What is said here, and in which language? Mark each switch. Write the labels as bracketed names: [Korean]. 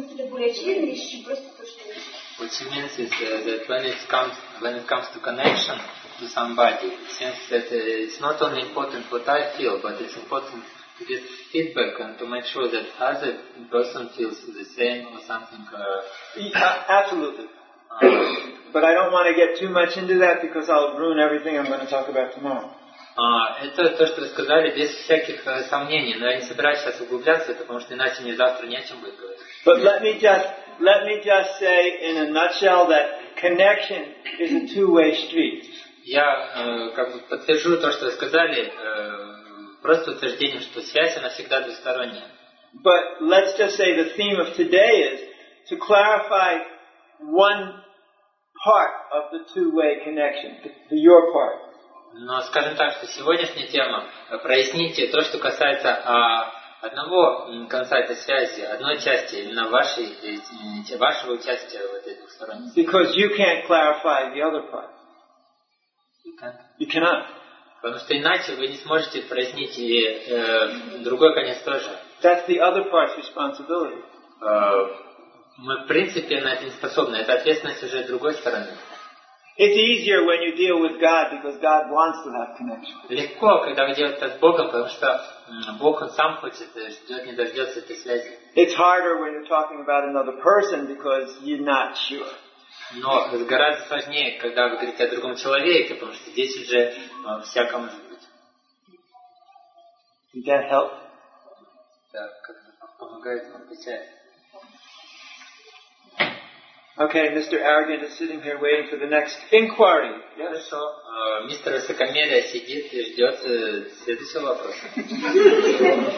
[English] What she means is that when it comes to connection to somebody, it seems that it's not only important what I feel, but it's important to get feedback and to make sure that other person feels the same or something. Absolutely. But I don't want to get too much into that because I'll ruin everything I'm going to talk about tomorrow. [Russian] Это то, что вы сказали, без всяких сомнений. Но я не собираюсь сейчас углубляться, потому что иначе мне завтра не о чем будет говорить. [English] But let me just say in a nutshell that connection is a two-way street. [Russian] Я как бы подтвержу то, что вы сказали. Просто утверждение, что связь, она всегда двусторонняя. [English] But let's just say the theme of today is to clarify one part of the two-way connection, the your part. [Russian] Но скажем так, что сегодняшняя тема проясните то, что касается одного конца этой связи, одной части, именно вашего участия в этой двухсторонней связи. [English] Because you can't clarify the other part. You can't. You cannot. [Russian] Потому что иначе вы не сможете прояснить и другой конец тоже. [English] That's the other part's responsibility. [Russian] Мы в принципе на это не способны. Это ответственность уже другой стороны. [English] It's easier when you deal with God because God wants to have connection. [Russian] Легко, когда вы делаете с Богом, потому что Бог сам хочет, ждет, не дождется этой связи. [English] It's harder when you're talking about another person because you're not sure. [Russian] Но гораздо сложнее, когда вы говорите о другом человеке, потому что здесь уже всяко может быть. [English] Did that help? [Russian] Да, как-то помогает вам печать. [English] Okay, Mr. Arrogant is sitting here waiting for the next inquiry. Yes. [Russian] Мистер Высокомерие сидит и ждет следующего вопроса.